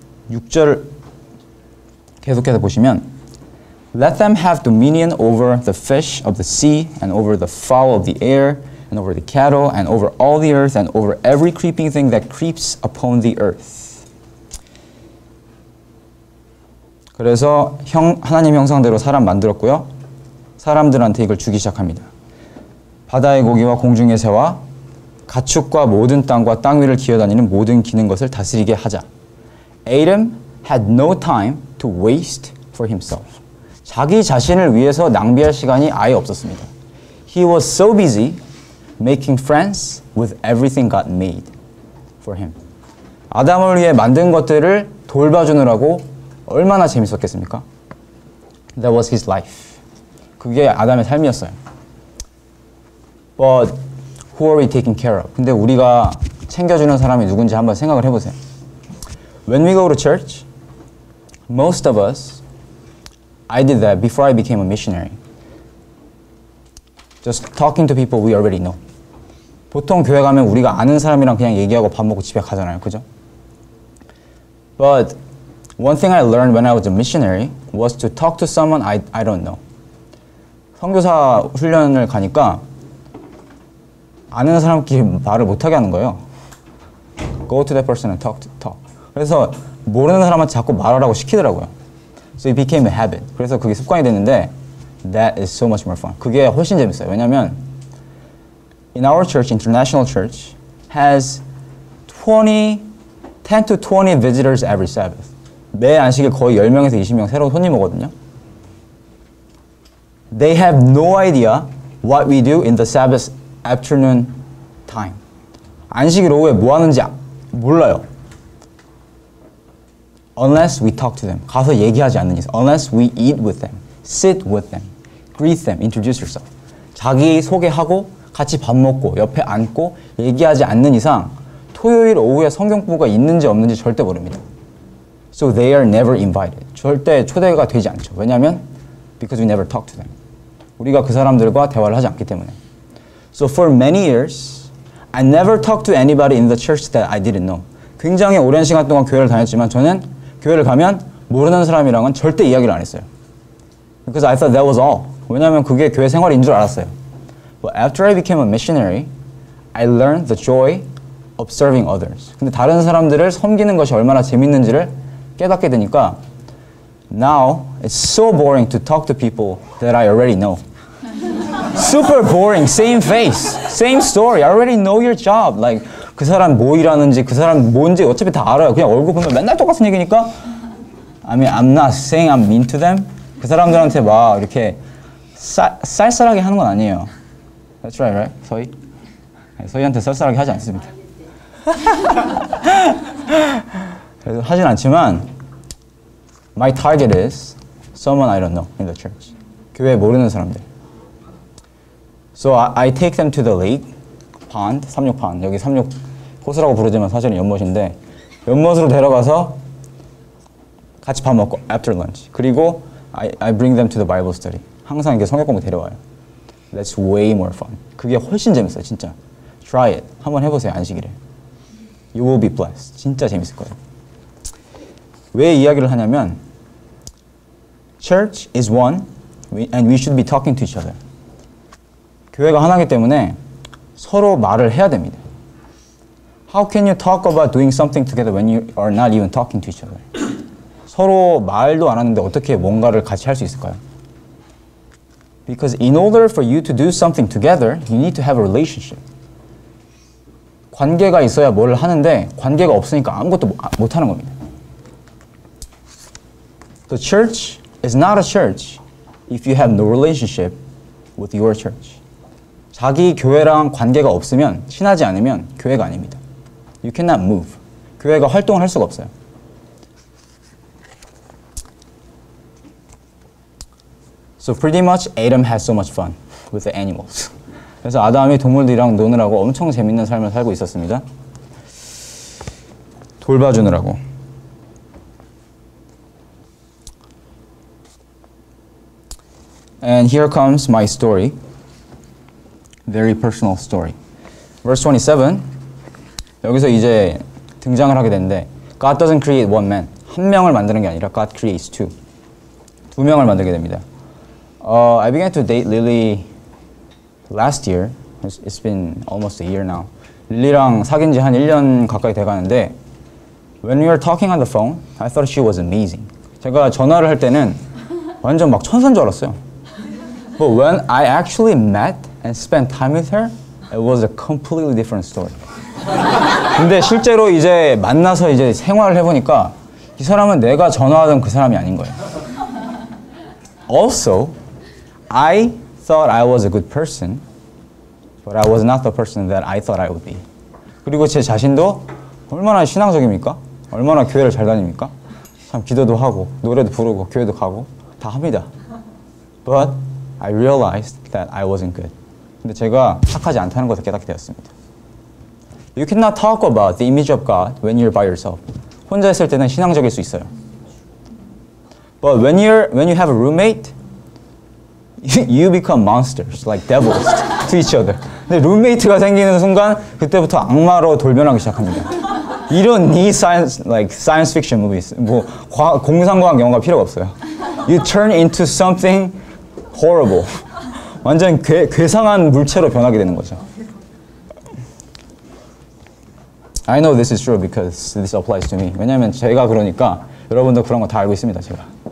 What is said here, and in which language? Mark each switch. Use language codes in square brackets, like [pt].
[ko] 26절 계속해서 보시면 [en] Let them have dominion over the fish of the sea and over the fowl of the air and over the cattle and over all the earth and over every creeping thing that creeps upon the earth. [ko] 그래서 하나님 형상대로 사람 만들었고요. 사람들한테 이걸 주기 시작합니다. 바다의 고기와 공중의 새와 가축과 모든 땅과 땅 위를 기어다니는 모든 기는 것을 다스리게 하자. [en] Adam had no time to waste for himself. [ko] 자기 자신을 위해서 낭비할 시간이 아예 없었습니다. [en] He was so busy making friends with everything God made for him. [ko] 아담을 위해 만든 것들을 돌봐주느라고 얼마나 재밌었겠습니까? [en] That was his life. [ko] 그게 아담의 삶이었어요. [en] But who are we taking care of? [ko] 근데 우리가 챙겨주는 사람이 누군지 한번 생각을 해보세요. [en] When we go to church, most of us, I did that before I became a missionary. Just talking to people we already know. [ko] 보통 교회 가면 우리가 아는 사람이랑 그냥 얘기하고 밥 먹고 집에 가잖아요. 그죠? [en] But one thing I learned when I was a missionary was to talk to someone I don't know. [ko] 선교사 훈련을 가니까 아는 사람끼리 말을 못하게 하는 거예요. [en] Go to that person and talk. [ko] 그래서 모르는 사람한테 자꾸 말하라고 시키더라고요. [en] So it became a habit. [ko] 그래서 그게 습관이 됐는데 [en] that is so much more fun. [ko] 그게 훨씬 재밌어요. 왜냐면 [en] in our church, international church, has 10 to 20 visitors every Sabbath. [ko] 매 안식일 거의 10명에서 20명 새로운 손님 오거든요. [en] They have no idea what we do in the Sabbath afternoon time. [ko] 안식일 오후에 뭐 하는지 몰라요. [en] Unless we talk to them. [ko] 가서 얘기하지 않는 이상. [en] Unless we eat with them. Sit with them. Greet them. Introduce yourself. [ko] 자기 소개하고 같이 밥 먹고 옆에 앉고 얘기하지 않는 이상 토요일 오후에 성경부가 있는지 없는지 절대 모릅니다. [en] So they are never invited. [ko] 절대 초대가 되지 않죠. 왜냐하면 [en] because we never talk to them. [ko] 우리가 그 사람들과 대화를 하지 않기 때문에. [en] So for many years, I never talked to anybody in the church that I didn't know. [ko] 굉장히 오랜 시간 동안 교회를 다녔지만 저는 교회를 가면 모르는 사람이랑은 절대 이야기를 안 했어요. [en] Because I thought that was all. [ko] 왜냐하면 그게 교회 생활인 줄 알았어요. But after I became a missionary, I learned the joy of serving others. 근데 다른 사람들을 섬기는 것이 얼마나 재밌는지를 깨닫게 되니까 [en] Now, it's so boring to talk to people that I already know. Super boring, same face, same story. I already know your job. [ko] Like, 그 사람 뭐 일하는지, 그 사람 뭔지 어차피 다 알아요. 그냥 얼굴 보면 맨날 똑같은 얘기니까. [en] I mean, I'm not saying I'm mean to them. [ko] 그 사람들한테 막 이렇게 쌀쌀하게 하는 건 아니에요. [en] That's right, right? 서희? [ko] 서희한테 쌀쌀하게 하지 않습니다. 그래서 하진 않지만 [en] My target is someone I don't know in the church. [ko] 교회 모르는 사람들. [en] So I take them to the lake, pond, 삼육pond. [ko] 여기 삼육 호수라고 부르지만 사실은 연못인데 연못으로 데려가서 같이 밥 먹고 [en] after lunch. [ko] 그리고 [en] I bring them to the Bible study. [ko] 항상 이렇게 성경 공부 데려와요. [en] That's way more fun. [ko] 그게 훨씬 재밌어요, 진짜. [en] Try it. [ko] 한번 해보세요, 안식일에. [en] You will be blessed. [ko] 진짜 재밌을 거예요. 왜 이야기를 하냐면 [en] Church is one, and we should be talking to each other. [ko] 교회가 하나이기 때문에 서로 말을 해야 됩니다. [en] How can you talk about doing something together when you are not even talking to each other? [ko] 서로 말도 안 하는데 어떻게 뭔가를 같이 할 수 있을까요? [en] Because in order for you to do something together, you need to have a relationship. [ko] 관계가 있어야 뭘 하는데 관계가 없으니까 아무것도 못 하는 겁니다. [en] The church is not a church if you have no relationship with your church. [ko] 자기 교회랑 관계가 없으면, 친하지 않으면 교회가 아닙니다. [en] You cannot move. [ko] 교회가 활동을 할 수가 없어요. 그래서 [en] pretty much Adam has so much fun with the animals. [ko] 그래서 아담이 동물들이랑 노느라고 엄청 재밌는 삶을 살고 있었습니다. 돌봐주느라고. [en] And here comes my story. Very personal story. Verse 27. [ko] 여기서 이제 등장을 하게 되는데 [en] God doesn't create one man. [ko] 한 명을 만드는 게 아니라 [en] God creates two. [ko] 두 명을 만들게 됩니다. [en] I began to date Lily last year. It's been almost a year now. [ko] Lily랑 사귄 지 한 1년 가까이 돼가는데 [en] When we were talking on the phone, I thought she was amazing. [ko] 제가 전화를 할 때는 완전 막 천사인 줄 알았어요. [en] But when I actually met and spent time with her, it was a completely different story. [ko] 근데 실제로 이제 만나서 이제 생활을 해보니까 이 사람은 내가 전화하던 그 사람이 아닌 거예요. [en] Also, I thought I was a good person, but I was not the person that I thought I would be. [ko] 그리고 제 자신도 얼마나 신앙적입니까? 얼마나 교회를 잘 다닙니까? 참 기도도 하고, 노래도 부르고, 교회도 가고, 다 합니다. [en] But I realized that I wasn't good. [ko] 근데 제가 착하지 않다는 것을 깨닫게 되었습니다. [en] You cannot talk about the image of God when you're by yourself. [ko] 혼자 있을 때는 신앙적일 수 있어요. [en] But when you have a roommate, you become monsters, like devils to each other. [ko] 근데 룸메이트가 생기는 순간 그때부터 악마로 돌변하기 시작합니다. 이런 이 [en] science, like science fiction movies, [ko] 뭐 공상과학 영화가 필요가 없어요. [en] You turn into something horrible. [ko] 완전 괴상한 물체로 변하게 되는 거죠. [en] I know this is true because this applies to me. [ko] 왜냐하면 제가 그러니까 여러분도 그런 거 다 알고 있습니다, 제가.